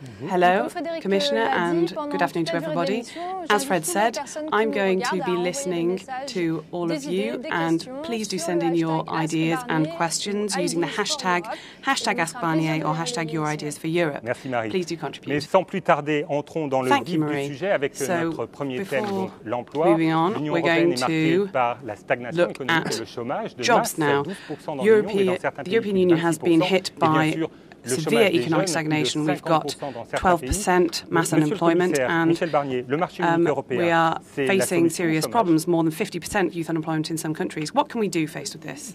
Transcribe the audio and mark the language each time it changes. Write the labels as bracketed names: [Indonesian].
[English] Hello, Commissioner, and good afternoon to everybody. As Fred said, I'm going to be listening to all of you, and please do send in your ideas and questions using the hashtag, hashtag AskBarnier or hashtag Your Ideas for Europe. [French] Merci Marie. [English] Please do contribute. [French] Mais sans plus tarder, entrons dans le vif du sujet avec notre premier thème, donc l'emploi. L'Union européenne est marquée par la stagnation économique et le chômage. [English] Jobs now. The European Union has been hit by severe economic stagnation. We've got 12% mass unemployment, and we are facing serious problems, more than 50% youth unemployment in some countries. What can we do faced with this?